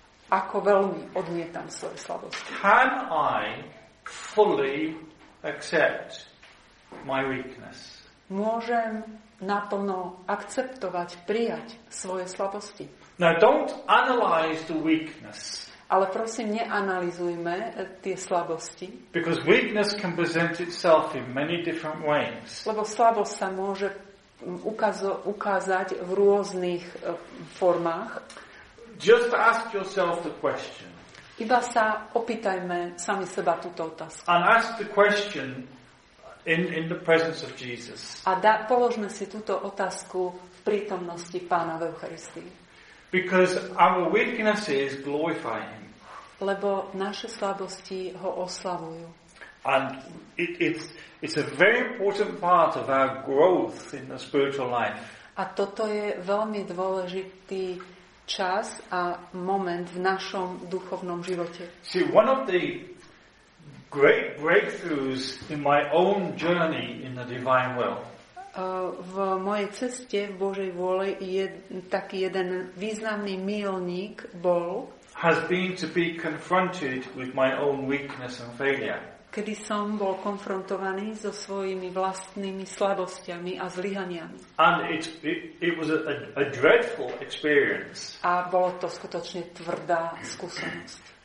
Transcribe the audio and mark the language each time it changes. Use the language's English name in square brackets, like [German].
[Slovak] Ako veľmi odmietam svoje slabosti? [English] Can I fully accept my weakness? [Slovak] môžem naplno akceptovať, prijať svoje slabosti. [English] Now don't analyze the weakness. [Slovak] Ale prosím, neanalyzujme tie slabosti. [English] Because weakness can present itself in many different ways. [Slovak] Lebo slabosť sa môže ukázať v rôznych formách. [English] Just ask yourself the question. [Slovak] Iba sa opýtajme sami seba túto otázku. [English] And ask the question in the presence of Jesus. [Slovak] A položme si túto otázku v prítomnosti Pána v Eucharistii. [English] Because our weakness is glorifying. [Slovak] Lebo naše slabosti ho oslavujú. [English] And it's a very important part of our growth in the spiritual life. [Slovak] A toto je veľmi dôležitý čas a moment v našom duchovnom živote. [English] See, one of the great breakthroughs in my own journey in the divine will. [Slovak] V mojej ceste v Božej vôli je taký jeden významný milník bol. [English] Has been to be confronted with my own weakness and failure. [Slovak] Kedy som bol konfrontovaný so svojimi vlastnými slabosťami a zlyhaniami. [English] And it was a dreadful experience. [Slovak] A bolo to skutočne tvrdá skúsenosť.